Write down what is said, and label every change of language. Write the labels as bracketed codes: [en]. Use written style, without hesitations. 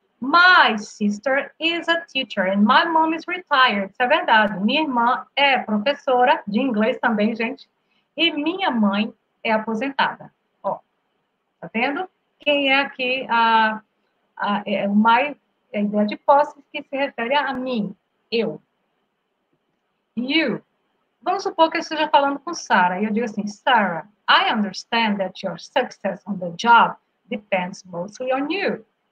[en] My sister is a teacher and my mom is retired. [pt] Isso é verdade. Minha irmã é professora de inglês também, gente. E minha mãe é aposentada. Ó, tá vendo? Quem é aqui a ideia de posse que se refere a mim? Eu. [en] You. [pt] Vamos supor que eu esteja falando com Sarah. E eu digo assim: [en] Sarah, I understand that your success on the job depends mostly on you.